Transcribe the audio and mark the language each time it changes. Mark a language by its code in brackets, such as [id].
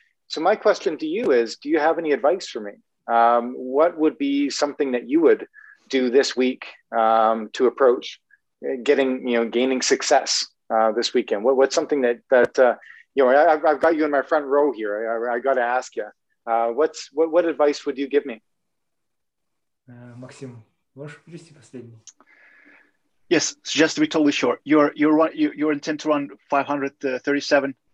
[en] So my question to you is, do you have any advice for me? What would be something that you would do this week to approach getting, you know, gaining success this weekend? What's something that you know, I've got you in my front row here. I got to ask you, what advice would you give me? [ru] Максим, можешь привести последний? [en] Yes, just to be totally sure, you intend to run 537